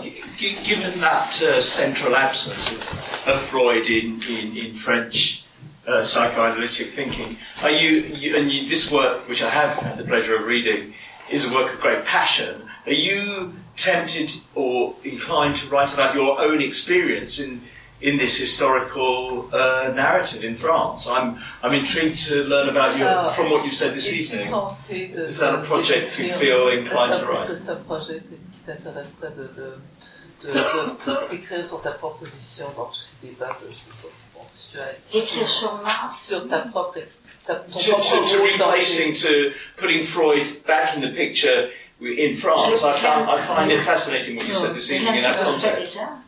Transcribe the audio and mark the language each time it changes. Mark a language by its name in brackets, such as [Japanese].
[English] given that central absence of Freud in French psychoanalytic thinking, are you this work, which I have had the pleasure of reading, is a work of great passion. Are you tempted or inclined to write about your own experience in this historical narrative in France? I'm intrigued to learn about you from what you said this evening. Is that a project you feel inclined to write? [French] Est-ce que c'est un projet qui t'intéresserait d'écrire sur ta propre position dans tous ces débats de [English] To putting Freud back in the picture in France, I find it fascinating what you said this evening in that context.